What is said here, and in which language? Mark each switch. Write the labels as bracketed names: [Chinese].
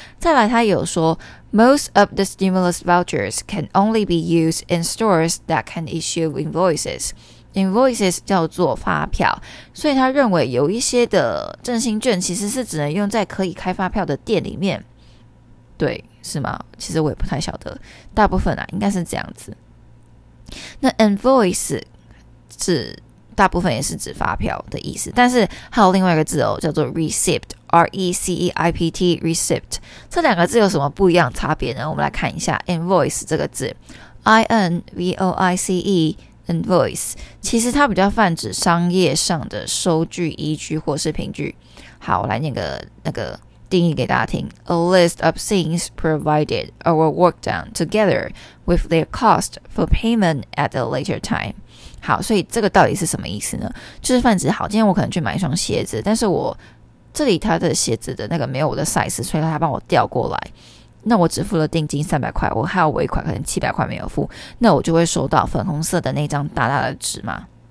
[Chinese] 再来他有说， [English] Most of the stimulus vouchers can only be used in stores that can issue invoices. [Chinese] Invoices 叫做发票，所以他认为有一些的振兴券其实是只能用在可以开发票的店里面。对，是吗？其实我也不太晓得，大部分啊应该是这样子。那 invoice 是大部分也是指发票的意思，但是还有另外一个字哦，叫做 receipt，R-E-C-E-I-P-T Receipt， 这两个字有什么不一样差别呢？我们来看一下 Invoice 这个字， I-N-V-O-I-C-E Invoice， 其实它比较泛指商业上的收据依据或是凭据。好，我来念个那个定义给大家听， [English] A list of things provided or worked done together with their cost for payment at a later time。 [Chinese] 好，所以这个到底是什么意思呢？就是泛指好，今天我可能去买一双鞋子，但是我这里他的鞋子的那个没有我的 size， 所以他帮我调过来，那我只付了定金300块，我还有尾款可能700块没有付，那我就会收到粉红色的那张大大的纸嘛。